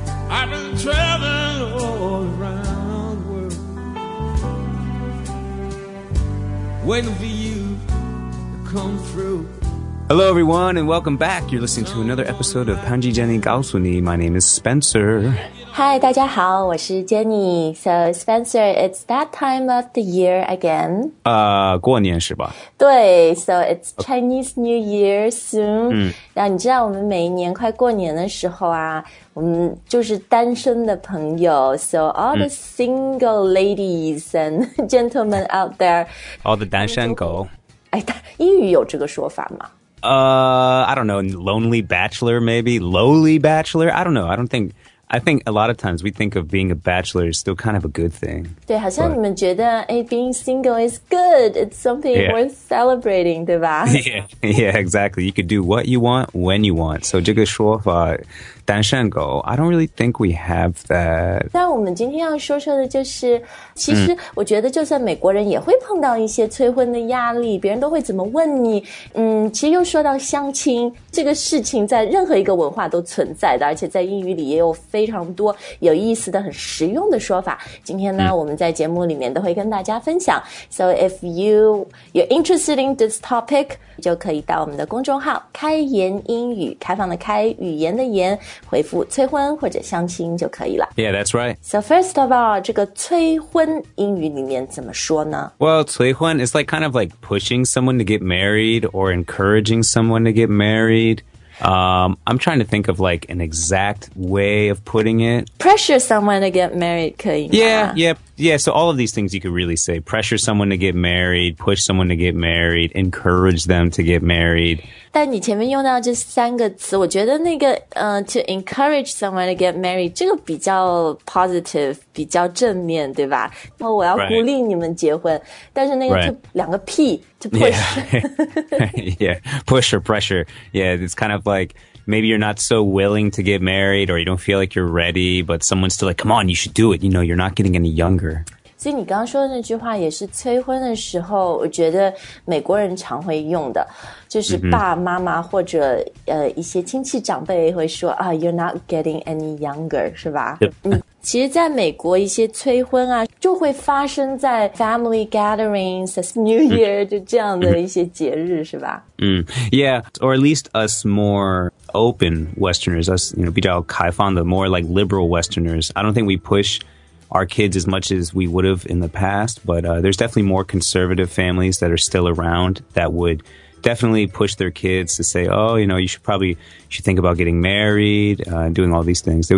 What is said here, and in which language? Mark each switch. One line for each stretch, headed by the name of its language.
English: I've been traveling all around the world, waiting for you to come through. Hello, everyone, and welcome back. You're listening to another episode of 潘吉 Jenny 告诉你. My name is Spencer.
Chinese: Hi, 大家好，我是 Jenny.
English: So, Spencer, it's that time of the year again.
Chinese: 过年是吧？
English: 对 ，So it's Chinese New Year soon.
Chinese: 那你知道我们每一年快过年的时候啊，我们就是单身的朋友 ，
English: So all the single ladies and gentlemen out there, all the 单身狗。
Chinese: 哎，英语有这个说法吗？
English: I don't know, lonely bachelor, maybe lowly bachelor. I don't know. I think a lot of times we think of being a bachelor is still kind of a good thing.
Chinese: 对，好像你们觉得
English: being single is good. It's something worth celebrating,
Chinese: 对吧？
English: Yeah, exactly. You could do what you want when you want. So 这个说法单身狗 I don't really think we have that.
Chinese: 但我们今天要说说的就是，其实我觉得就算美国人也会碰到一些催婚的压力，别人都会怎么问你。其实又说到相亲这个事情，在任何一个文化都存在的，而且在英语里也有非常多有意思的、很实用的说法。今天呢，我们在节目里面都会跟大家分享。
English: So if you're interested in this topic,
Chinese: 就可以到我们的公众号"开言英语"，开放的开，语言的言。回复催婚或者相亲就可以了
English: Yeah, that's right So first of all,
Chinese: 这个催婚英语里面怎么说呢
English: Well, 催婚 is like kind of like pushing someone to get married or encouraging someone to get married I'm trying to think of like an exact way of putting it Pressure someone to get married
Chinese: 可以吗
English: Yeah, so all of these things you could really say Pressure someone to get married, push someone to get married, encourage them to get married
Chinese: 但你前面用到这三个词，我觉得那个
English: to encourage someone to get married
Chinese: 这个比较 positive， 比较正面，对吧？然后我要鼓励你们结婚，
English: right.
Chinese: 但是那个就两个 P to push，
English: push or pressure， yeah， it's kind of like maybe you're not so willing to get married or you don't feel like you're ready， but someone's still like， come on， you should do it， you know， you're not getting any younger。
Chinese: 所以你刚刚说的那句话也是催婚的时候我觉得美国人常会用的就是爸妈妈或者一些亲戚长辈会说啊、
English: You're not getting any younger
Chinese: 是吧、其实在美国一些催婚啊就会发生在 family gatherings New Year 就这样的一些节日是吧、
English: Yeah or at least us more open westerners us you know,
Chinese: 比较开放的
English: more like liberal westerners I don't think we pushour kids as much as we would have in the past, but there's definitely more conservative families that are still around that would definitely push their kids to say, oh, you know, you should think about getting married, doing all these things.